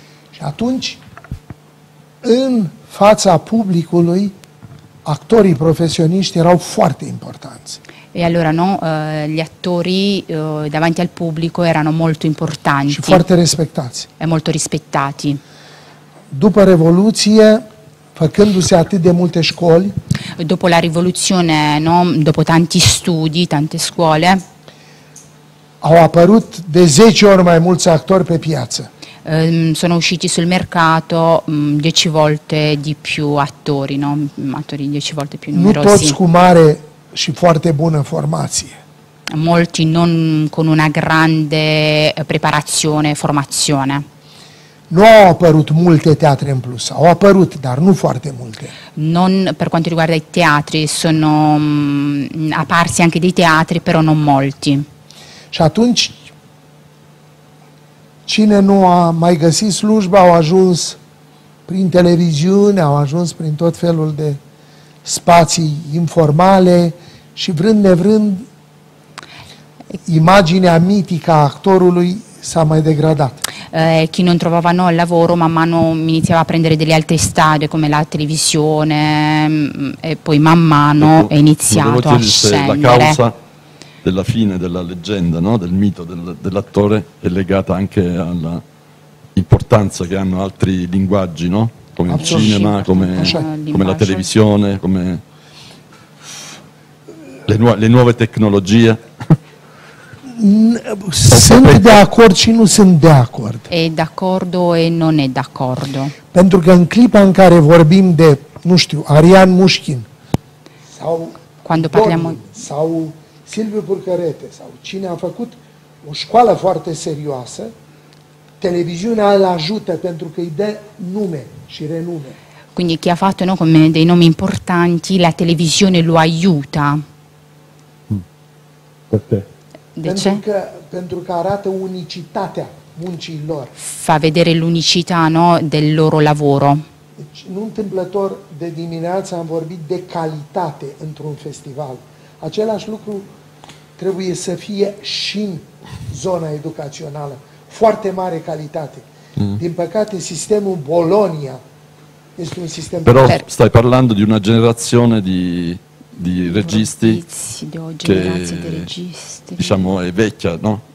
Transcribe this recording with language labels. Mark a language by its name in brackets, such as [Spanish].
[Romanian] Și atunci, în fața publicului, actorii profesioniști erau foarte importanți. [Italian] E allora no, gli attori davanti al pubblico erano molto importanti. [Romanian] Și foarte respectați. [Italian] E molto rispettati. [Romanian] După Revoluție, făcându-se atât de multe școli, [Italian] dopo la rivoluzione, no, dopo tanti studi, tante scuole, [Romanian] au apărut de 10 ori mai mulți actori pe piață. [Italian] Sono usciti sul mercato 10 volte di più attori, no? Attori 10 volte più numerosi. [Romanian] Nu toți cu mare și foarte bună formație. [Italian] Molti non con una grande preparazione, formazione. [Romanian] Nu au apărut multe teatre în plus. Au apărut, dar nu foarte multe. [Italian] Non per quanto riguarda i teatri, sono apparsi anche dei teatri, però non molti. [Romanian] Și atunci cine nu a mai găsit slujba au ajuns prin televiziune, au ajuns prin tot felul de spații informale și vrând nevrând imaginea mitică a actorului s-a mai degradat. [Italian] Chi non trovava no lavoro man mano iniziava a prendere delle altre strade come la televisione e poi man mano è iniziato a scendere. La causa della fine della leggenda, no? Del mito dell'attore è legata anche alla importanza che hanno altri linguaggi, no? Come il cinema, come la televisione, come le nuove tecnologie. [Romanian] Sunt de acord și nu sunt de acord. [Italian] E d'accordo e non è d'accordo. [Romanian] Pentru că în clipa în care vorbim de, nu știu, Arian Mușchin sau [Italian] quando parliamo [Romanian] sau Silviu Purcărete sau cine a făcut o școală foarte serioasă, televiziunea îl ajută pentru că îi dă nume și renume. [Italian] Quindi chi ha fatto, no, come dei nomi importanti, la televisione lo aiuta. Perché? [Romanian] Pentru că arată unicitatea muncii lor. [Italian] Fa vedere l'unicità, no, del loro lavoro. [Romanian] Deci, nu întâmplător de dimineață am vorbit de calitate într-un festival. Același lucru trebuie să fie și în zona educațională. Foarte mare calitate. Mm. Din păcate, sistemul Bologna este un sistem... [Italian] Però stai parlando di una generazione di registi, che, diciamo, è vecchia, no?